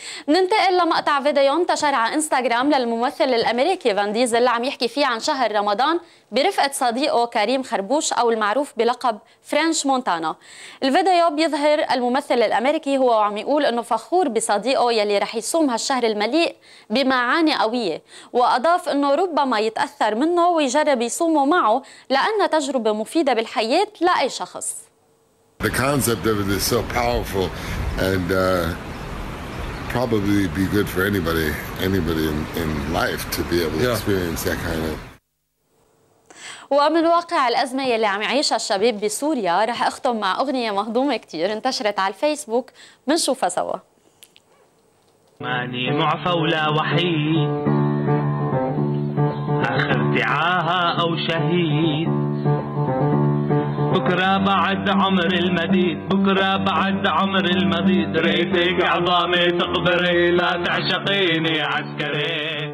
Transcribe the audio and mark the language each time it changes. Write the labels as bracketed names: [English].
[Arabic] ننتقل لمقطع فيديو انتشر على انستغرام للممثل الأمريكي فان ديزل عم يحكي فيه عن شهر رمضان برفقة صديقه كريم خربوش أو المعروف بلقب فرنش مونتانا. الفيديو بيظهر الممثل الأمريكي هو عم يقول أنه فخور بصديقه يلي رح يصوم هالشهر المليء بمعاني قوية، وأضاف أنه ربما يتأثر منه ويجرب يصومه معه لأنه تجربة مفيدة بالحياة لأي شخص. [English] The concept of it is so powerful and probably be good for anybody in life to be able to experience that kind of. [Arabic] ومن واقع الأزمة اللي عم يعيشها الشباب بسوريا رح أختم مع أغنية مهضومة كتير انتشرت على الفيسبوك، منشوفها سوا. ماني معفى ولا وحيد، آخر دعاها أو شهيد، بكرة بعد عمر المديد، بكرة بعد عمر المديد، ريتك عظامي تقدري لا تعشقيني عسكري.